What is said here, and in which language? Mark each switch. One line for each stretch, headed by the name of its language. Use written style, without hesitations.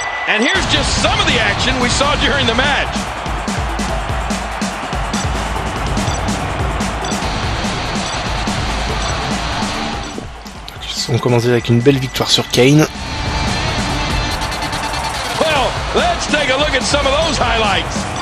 English: And here's just some of the action we saw during the match.
French: On commence avec une belle victoire sur Kane.
English: Well, let's take a look at some of those highlights.